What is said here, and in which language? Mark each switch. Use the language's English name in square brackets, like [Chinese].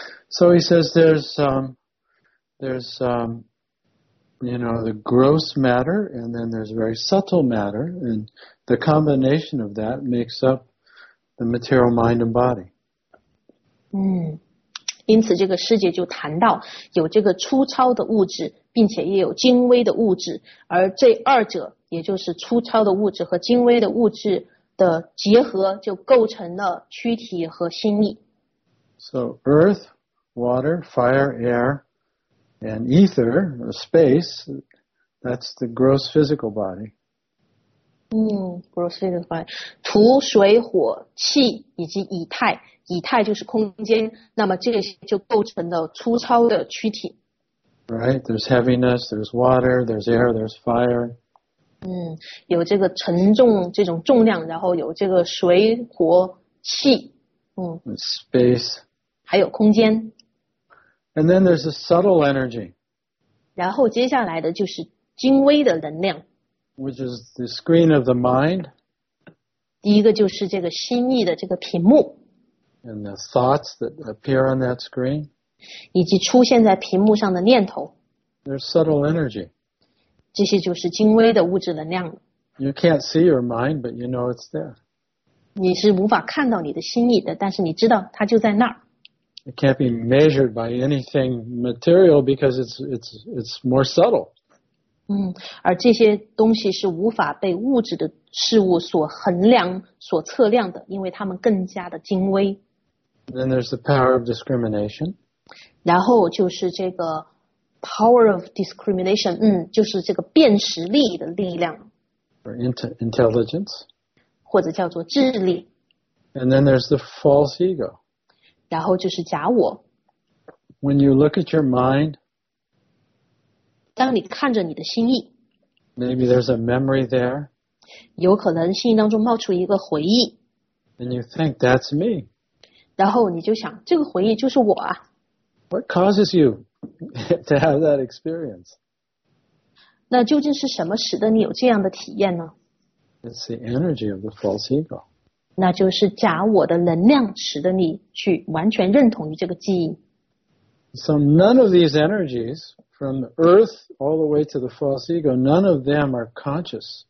[English] So he says there's the gross matter and then there's very subtle matter and the combination of that makes up the material mind and body. [Chinese] 因此这个师姐就谈到有这个粗糙的物质并且也有精微的物质而这二者也就是粗糙的物质和精微的物质的结合就构成了躯体和心力。 [English] So earth, water, fire, air, and ether, space, that's the gross physical body. Gross physical body. [Chinese] 土、水、火、气以及以太，以太就是空间，那么这些就构成了粗糙的躯体。 [English] Right, there's heaviness, there's water, there's air, there's fire. [Chinese] 有这个沉重这种重量，然后有这个水火气。 [English] Space. [Chinese] 还有空间。 [English] And then there's a subtle energy. [Chinese] 然后接下来的就是精微的能量。 [English] Which is the screen of the mind. [Chinese] 第一个就是这个心意的这个屏幕。 [English] And the thoughts that appear on that screen. [Chinese] 以及出现在屏幕上的念头 [English] There's subtle energy. [Chinese] 这些就是精微的物质能量 [English] You can't see your mind, but you know it's there. [Chinese] 你是无法看到你的心意的但是你知道它就在那儿 [English] It can't be measured by anything material because it's more subtle. [Chinese] 而这些东西是无法被物质的事物所衡量所测量的因为它们更加的精微 [English] Then there's the power of discrimination. [Chinese] 然后就是这个 [English] power of discrimination, [Chinese] 就是这个辨识力的力量。 [English] Or intelligence. [Chinese] 或者叫做智力。 [English] And then there's the false ego. [Chinese] 然后就是假我。 [English] When you look at your mind, [Chinese] 当你看着你的心意。 [English] Maybe there's a memory there. [Chinese] 有可能心意当中冒出一个回忆。 [English] And you think, that's me. [Chinese] 然后你就想这个回忆就是我啊。 [English] What causes you to have that experience? [Chinese] 那究竟是什么使得你有这样的体验呢? [English] It's the energy of the false ego. [Chinese] 那就是假我的能量使得你去完全认同于这个记忆。 [English] So none of these energies, from the earth all the way to the false ego, none of them are conscious.